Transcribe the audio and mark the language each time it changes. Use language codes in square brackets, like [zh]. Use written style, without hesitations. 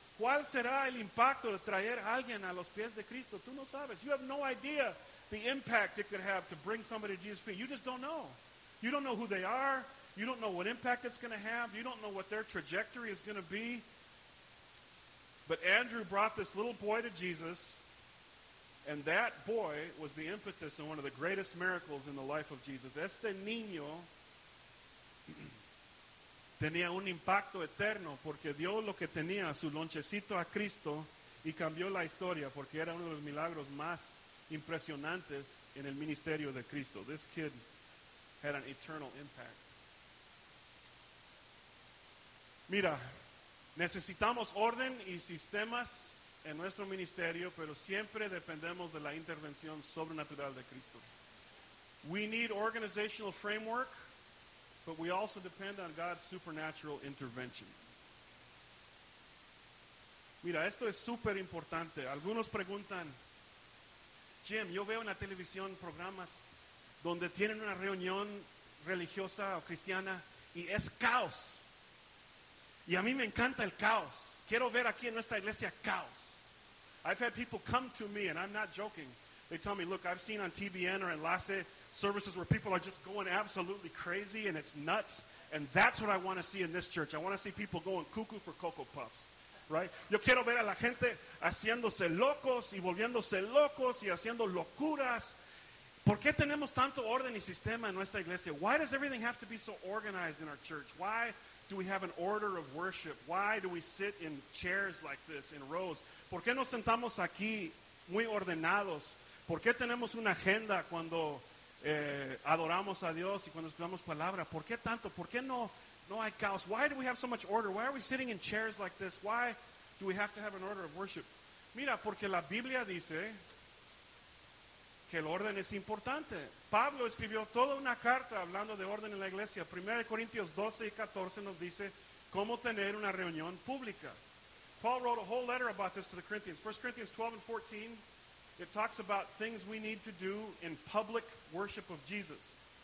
[es] ¿Cuál será el impacto de traer a alguien a los pies de Cristo? Tú no sabes. [en] You have no idea the impact it could have to bring somebody to Jesus' feet. You just don't know. You don't know who they are. You don't know what impact it's going to have. You don't know what their trajectory is going to be. But Andrew brought this little boy to Jesus, and that boy was the impetus and one of the greatest miracles in the life of Jesus. [es] Este niño tenía un impacto eterno porque dio lo que tenía, su lonchecito a Cristo, y cambió la historia porque era uno de los milagros más impresionantes en el ministerio de Cristo. [en] This kid had an eternal impact. [es] Mira, necesitamos orden y sistemas en nuestro ministerio, pero siempre dependemos de la intervención sobrenatural de Cristo. [en] We need organizational framework, but we also depend on God's supernatural intervention. [es] Mira, esto es súper importante. Algunos preguntan, Jim, yo veo en la televisión programas donde tienen una reunión religiosa o cristiana y es caos. Y a mí me encanta el caos. Quiero ver aquí en nuestra iglesia caos. [en] I've had people come to me, and I'm not joking. They tell me, look, I've seen on TBN or Enlace services where people are just going absolutely crazy and it's nuts. And that's what I want to see in this church. I want to see people going cuckoo for Cocoa Puffs, right? [es] Yo quiero ver a la gente haciéndose locos y volviéndose locos y haciendo locuras. ¿Por qué tenemos tanto orden y sistema en nuestra iglesia? [en] Why does everything have to be so organized in our church? Why do we have an order of worship? Why do we sit in chairs like this, in rows? [es] ¿Por qué nos sentamos aquí muy ordenados? ¿Por qué tenemos una agenda cuando adoramos a Dios y cuando escuchamos palabra? ¿Por qué tanto? ¿Por qué no hay caos? [en] Why do we have so much order? Why are we sitting in chairs like this? Why do we have to have an order of worship? [es] Mira, porque la Biblia dice que el orden es importante. Pablo escribió toda una carta hablando de orden en la iglesia. 1 Corintios 12 y 14 nos dice cómo tener una reunión pública. [en] Paul wrote a whole letter about this to the Corinthians. 1 Corinthians 12 and 14, it talks about things we need to do in public worship of Jesus.